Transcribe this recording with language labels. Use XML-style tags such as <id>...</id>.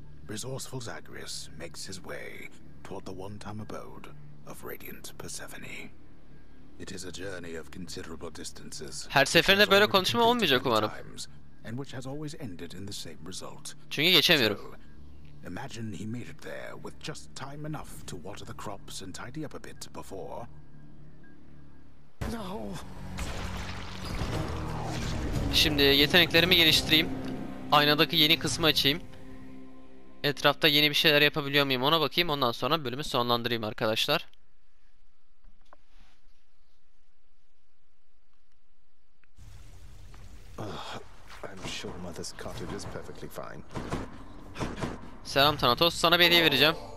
<en>Resourceful Zagreus makes his way toward the one-time abode of Radiant Persephone. It is a journey of considerable distances.</en> <tr>Her seferinde böyle konuşma olmayacak umarım.</tr> <en>And which has always ended in the same result.</en> <tr>Çünkü geçemiyorum.</tr> <en>Imagine he made it there with just time enough to water the crops and tidy up a bit before. No.</en> <tr>Şimdi yeteneklerimi geliştireyim. Aynadaki yeni kısmı açayım. Etrafta yeni bir şeyler yapabiliyor muyum ona bakayım. Ondan sonra bölümü sonlandırayım arkadaşlar.</tr> <en>I'm sure Mother's cottage is perfectly fine.</en> <tr>Selam Thanatos, sana bir hediye vereceğim.</tr>